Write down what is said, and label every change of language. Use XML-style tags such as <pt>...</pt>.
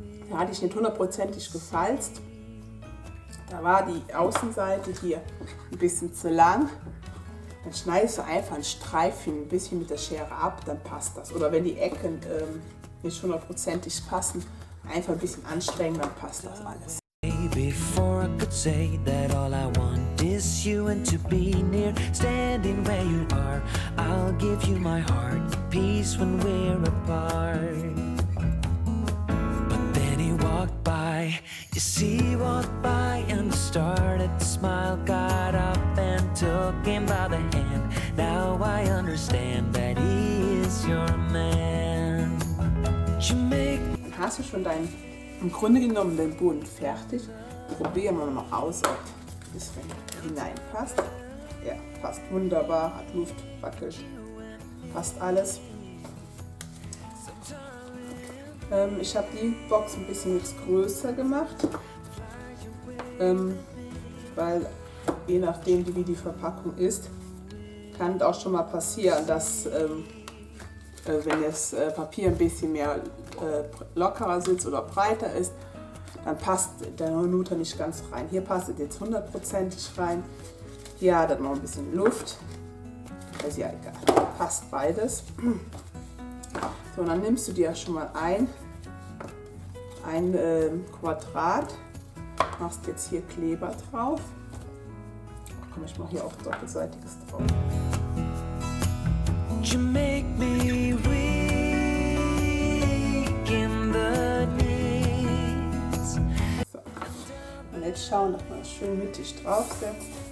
<de>Da hatte ich nicht hundertprozentig gefalzt. Da war die Außenseite hier ein bisschen zu lang. Dann schneidest du einfach ein Streifchen ein bisschen mit der Schere ab, dann passt das. Oder wenn die Ecken nicht hundertprozentig passen, einfach ein bisschen anstrengen, dann passt das alles.</de> <en>Before I could say that all I want is you and to be near, standing where you are, I'll give you my heart, peace when we're apart. But then he walked by, you see, walked by and started to smile, got up and took him by the hand. Now I understand that he is your man. You make.</en> <de>Hast du schon deinen, im Grunde genommen, den Bund fertig? Probieren wir mal aus, ob das hineinpasst. Ja, passt wunderbar, hat Luft, wackelt, passt alles. Ich habe die Box ein bisschen größer gemacht, weil je nachdem, wie die Verpackung ist, kann es auch schon mal passieren, dass wenn das Papier ein bisschen mehr lockerer sitzt oder breiter ist, dann passt der Nutter nicht ganz rein. Hier passt es jetzt hundertprozentig rein. Ja, dann noch ein bisschen Luft. Ist ja egal. Passt beides. So, und dann nimmst du dir schon mal ein Quadrat. Machst jetzt hier Kleber drauf. Komm, ich mach hier auch doppelseitiges drauf.</de> <en>You make me weak in the knees.</en> <de>So. Und jetzt schauen, ob man es schön mittig drauf setzt.</de>